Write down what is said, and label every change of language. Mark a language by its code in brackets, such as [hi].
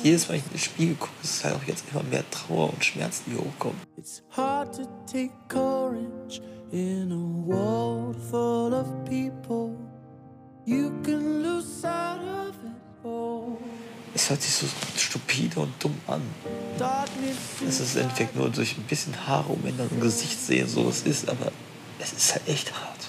[de] Jedes Mal, wenn ich ins Spiegel gucke, ist es halt auch jetzt immer mehr Trauer und Schmerzen, die hochkommen. [en] It's hard to take courage in a world full of people. You can lose sight of it all. [de] Es hört sich so stupide und dumm an. Es ist im Endeffekt nur durch ein bisschen Haare umändern und Gesicht sehen, so es ist, aber es ist halt echt hart.